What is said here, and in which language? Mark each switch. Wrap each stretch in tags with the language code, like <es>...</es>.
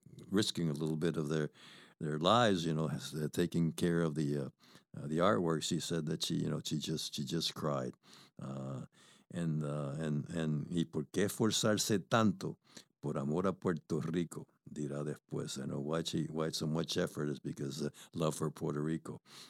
<en>risking a little bit of their lives, you know, taking care of the artwork. She said that she just cried.</en> <es>Y por qué esforzarse tanto por amor a Puerto Rico, dirá después.</es> <en>I know why so much effort is because of love for Puerto Rico.</en>